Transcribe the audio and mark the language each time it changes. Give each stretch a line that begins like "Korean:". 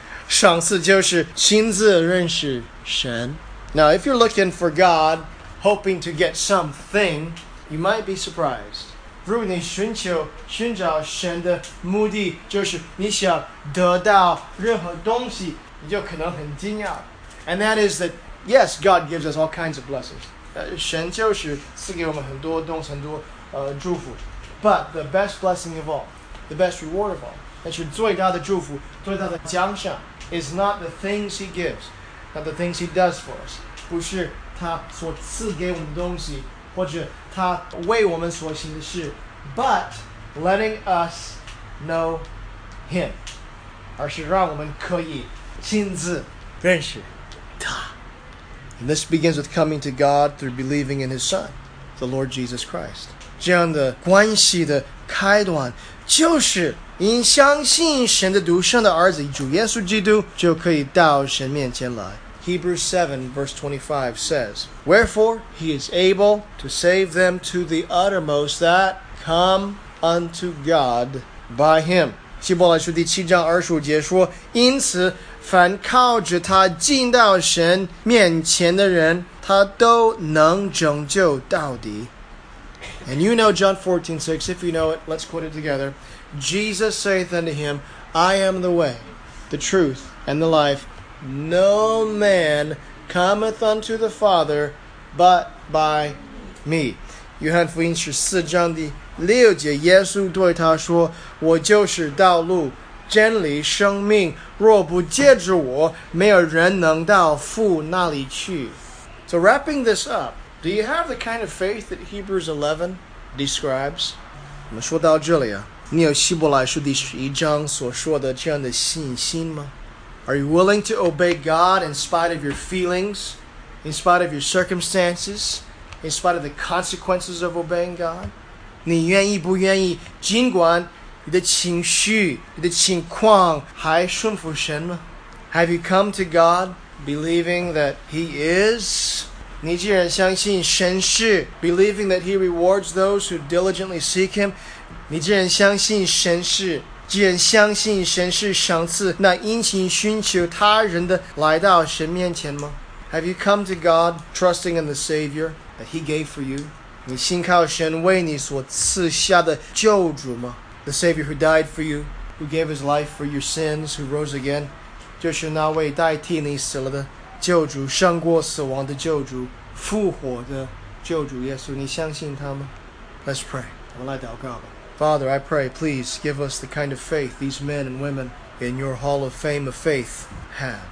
Chinese: 赏赐就是亲自认识神。
English: Now, if you're looking for God, hoping to get something, you might be surprised.
Chinese: 如果你寻求寻找神的目的就是你想得到任何东西你就可能很惊讶。
English: And that is that,Yes, God gives us all kinds of blessings.
Chinese: 神就是赐给我们很多东西，很多祝福。
English: But the best blessing of all, the best reward of all,
Chinese: 那是最大的祝福，最大的奖赏
English: is not the things He gives, not the things He does for us.
Chinese: 不是他所赐给我们东西，或者他为我们所行的事，
English: but letting us know Him,
Chinese: 而是让我们可以亲自认识他。
English: And this begins with coming to God through believing in His Son, the Lord Jesus Christ.
Chinese: 这样的关系的开端就是因相信神的独生的儿子主耶稣基督就可以到神面前来。
English: Hebrews 7 verse 25 says, Wherefore He is able to save them to the uttermost that come unto God by Him.
Chinese: 希伯来书第七章二十五节说，因此凡靠着他进到神面前的人，他都能拯救到底。
English: And you know John 14:6, if you know it, let's quote it together. Jesus saith unto him, I am the way, the truth, and the life. No man cometh unto the Father but by me.
Chinese: 约翰福音十四章第六节，耶稣对他说，我就是道路。真理生命若不借着我没有人能到父那里去。
English: So wrapping this up, do you have the kind of faith that Hebrews 11 describes?
Chinese: 我们说到这里啊，你有希伯来书第十一章所说的这样的信心吗？
English: Are you willing to obey God in spite of your feelings, in spite of your circumstances, in spite of the consequences of obeying God?
Chinese: 你愿意不愿意尽管你的情绪你的情况还顺服神吗？
English: Have you come to God believing that He is?
Chinese: 你既然相信神是
English: believing that He rewards those who diligently seek Him?
Chinese: 你既然相信神是既然相信神是赏赐那殷勤寻求他人的来到神面前吗？
English: Have you come to God trusting in the Savior that He gave for you?
Chinese: 你信靠神为你所赐下的救主吗？
English: The Savior who died for you, who gave His life for your sins, who rose again,
Chinese: 就是那位代替你死了的救主，胜过死亡的救主，复活的救主耶稣，你相信他吗？
English: Let's pray.
Chinese: 我们来祷告吧。
English: Father, I pray, please give us the kind of faith these men and women in your hall of fame of faith had.